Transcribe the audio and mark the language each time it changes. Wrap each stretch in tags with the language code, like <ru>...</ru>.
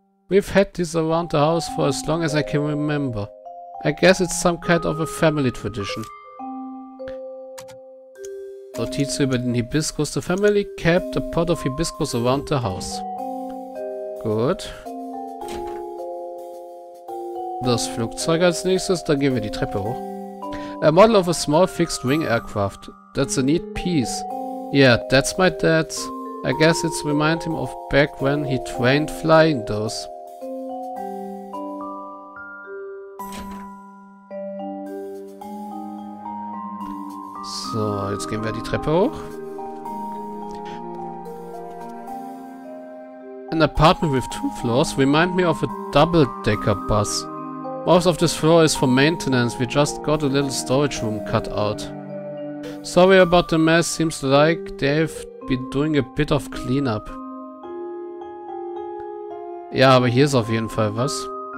<en>We've had this around the house for as long as I can remember. I guess it's some kind of a family tradition.</en> <de>Notiz über den Hibiscus.</de> <en>The family kept a pot of hibiscus around the house.</en> <de>Gut. Das Flugzeug als nächstes, dann gehen wir die Treppe hoch.</de> <en>A model of a small fixed wing aircraft. That's a neat piece. Yeah, that's my dad's. I guess it's remind him of back when he trained flying those.</en> <de>So, jetzt gehen wir die Treppe hoch.</de> <en>An apartment with two floors remind me of a double decker bus. Most of this floor is for maintenance. We just got a little storage room cut out. Sorry about the mess. Seems like they've been doing a bit of cleanup.</en> <de>Ja, aber hier ist auf jeden Fall was.</de>